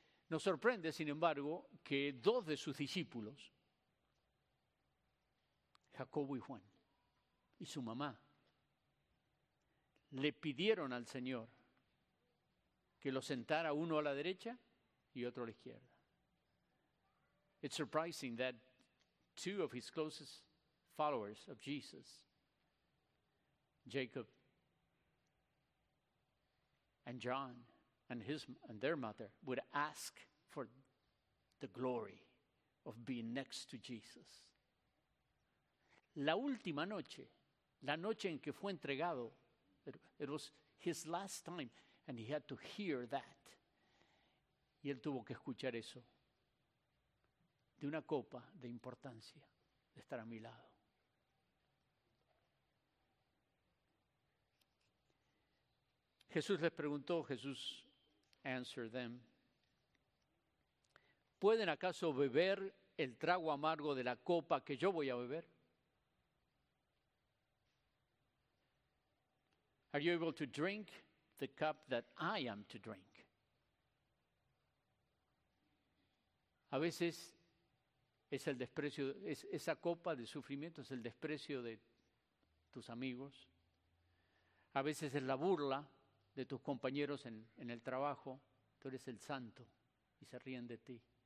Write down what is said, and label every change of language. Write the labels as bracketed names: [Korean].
[Spanish] Nos sorprende, sin embargo, que dos de sus discípulos, Jacobo y Juan, y su mamá, le pidieron al Señor que lo sentara uno a la derecha y otro a la izquierda. [English] It's surprising that two of his closest followers of Jesus, Jacob and John and their mother, would ask for the glory of being next to Jesus. [Spanish] La última noche, la noche en que fue entregado, [English] it was his last time, and he had to hear that. [Spanish] Y él tuvo que escuchar eso. De una copa de importancia, de estar a mi lado. Jesús les preguntó, [English] Jesús answered them, [Spanish] ¿pueden acaso beber el trago amargo de la copa que yo voy a beber? [English] Are you able to drink the cup that I am to drink? [Spanish] A veces es el desprecio, es esa copa de sufrimiento, es el desprecio de tus amigos. A veces es la burla de tus compañeros en el trabajo. Tú eres el santo y se ríen de ti.